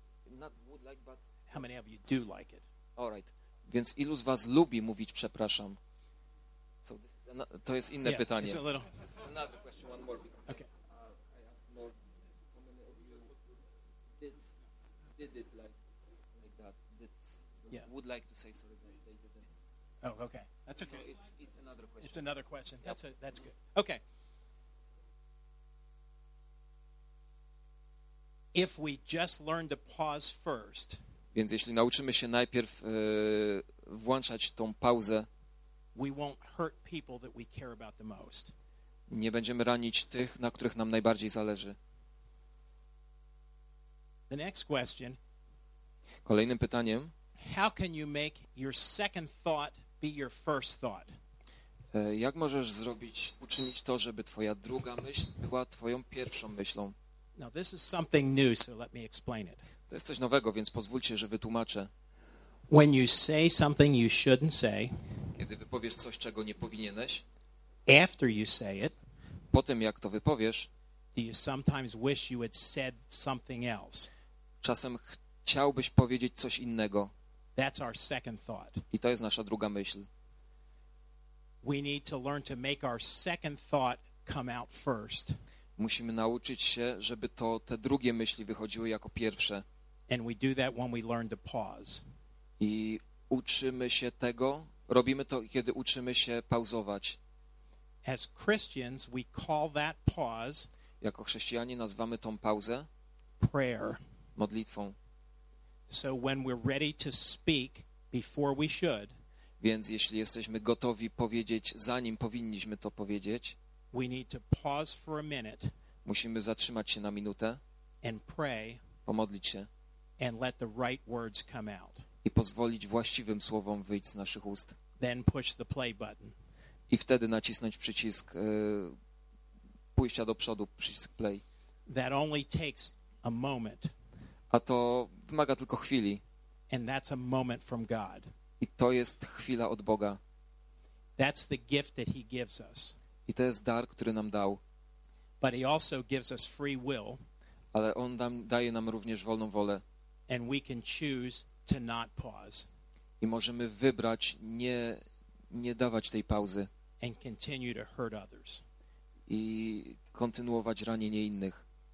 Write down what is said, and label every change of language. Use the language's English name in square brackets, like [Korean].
[English] not would like, but how many of you do like it? All right. [Polish] Więc ilu z was lubi mówić przepraszam? [English] So this is [Polish] to jest inne pytanie. [English] It's a little... another question, one more. Because okay. I asked more, how many of you did it like that? Would like to say sorry, but they didn't. Oh, okay. That's okay. So it's another question. It's another question. Yep. That's mm-hmm. good. Okay. If we just learn to pause first. [Polish] Więc jeśli nauczymy się najpierw włączać tą pauzę, [English] we won't hurt people that we care about the most. [Polish] Nie będziemy ranić tych, na których nam najbardziej zależy. [English] The next question. [Polish] Kolejnym pytaniem. [English] How can you make your second thought be your first thought? [Polish] Jak możesz zrobić, uczynić to, żeby twoja druga myśl była twoją pierwszą myślą? [English] Now this is something new, so let me explain it. [Polish] To jest coś nowego, więc pozwólcie, że wytłumaczę. [English] When you say something you shouldn't say, [Polish] kiedy wypowiesz coś, czego nie powinieneś, [English] after you say it, [Polish] po tym jak to wypowiesz, [English] do you sometimes wish you had said something else? [Polish] Czasem chciałbyś powiedzieć coś innego. [English] That's our second thought. [Polish] I to jest nasza druga myśl. [English] We need to learn to make our second thought come out first. [Polish] Musimy nauczyć się, żeby to te drugie myśli wychodziły jako pierwsze. [English] And we do that when we learn to pause. [Polish] I uczymy się tego, robimy to, kiedy uczymy się pauzować. [English] As Christians, we call that pause. [Polish] Jako chrześcijanie nazywamy tą pauzę [English] prayer. [Polish] Modlitwą. [English] So when we're ready to speak before we should, [Polish] więc jeśli jesteśmy gotowi powiedzieć, zanim powinniśmy to powiedzieć, [English] we need to pause for a minute, [Polish] musimy zatrzymać się na minutę [English] and pray, [Polish] pomodlić się [English] and let the right words come out. [Polish] I pozwolić właściwym słowom wyjść z naszych ust. [English] Then push the play button. [Polish] I wtedy nacisnąć przycisk pójścia do przodu, przycisk play. [English] That only takes a moment. [Polish] A to wymaga tylko chwili. [English] And that's a moment from God. [Polish] I to jest chwila od Boga. [English] That's the gift that he gives us. [Polish] I to jest dar, który nam dał. [English] But he also gives us free will. [Polish] Ale on daje nam również wolną wolę. [English] And we can choose to not pause. [Polish] I możemy wybrać nie dawać tej pauzy. [English] And continue to hurt others. [Polish] I kontynuować ranienie innych.